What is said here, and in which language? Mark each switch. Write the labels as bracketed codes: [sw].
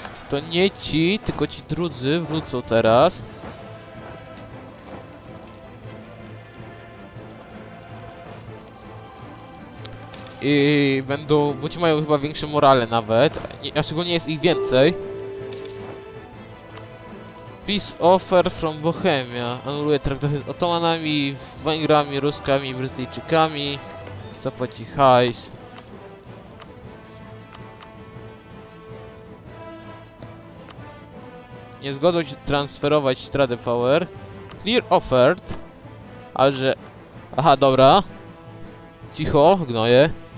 [pl] To nie ci, tylko ci drudzy wrócą teraz. I będą, bo ci mają chyba większe morale nawet. A szczególnie jest ich więcej. [en] Peace offer from Bohemia. [pl] Anuluje traktaty z Otomanami, Węgrami, Ruskami, Brytyjczykami. Zapłaci hajs. Nie zgodzą się transferować Strade Power. [en] Clear offered. [pl] A że... Aha, dobra. Cicho, gnoje.